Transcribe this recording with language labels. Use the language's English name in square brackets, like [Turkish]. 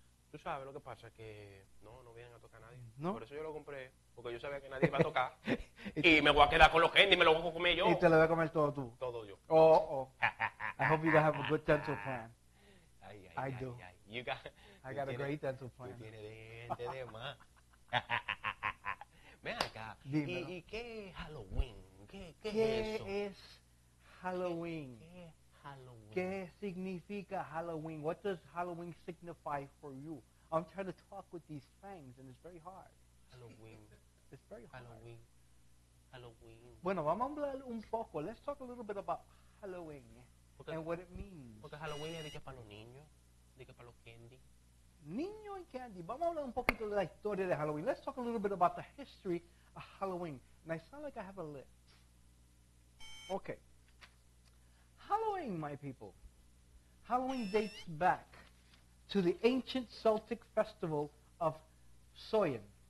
[Spanish] Tú sabes lo que pasa, que no vienen a tocar a nadie. ¿No? Por eso yo lo compré, porque yo sabía que nadie iba a tocar. Y me voy a quedar con los candy y me lo voy a comer yo. Y te lo voy a comer todo tú. Todo yo. Oh, oh. [English] I hope you guys have a good dental plan. I do. You got, I got a great dental plan. [Spanish] Tú tienes dientes de más. Ven acá. ¿Y qué es Halloween? ¿Qué es eso? ¿Qué es Halloween? ¿Qué es Halloween? ¿Qué significa Halloween? [English] What does Halloween signify for you? I'm trying to talk with these fangs and it's very hard. Halloween. It's very hard. Halloween. Halloween. [Spanish] Bueno, vamos a hablar un poco. [English] Let's talk a little bit about Halloween [Spanish] porque, [English] and what it means. [Spanish] Porque Halloween es de que para los niños, de que para los candy. Niño y candy. Vamos a hablar un poquito de la historia de Halloween. [English] Let's talk a little bit about the history of Halloween. And I sound like I have a lisp. Okay. Halloween, my people. Halloween dates back to the ancient Celtic festival of Samhain.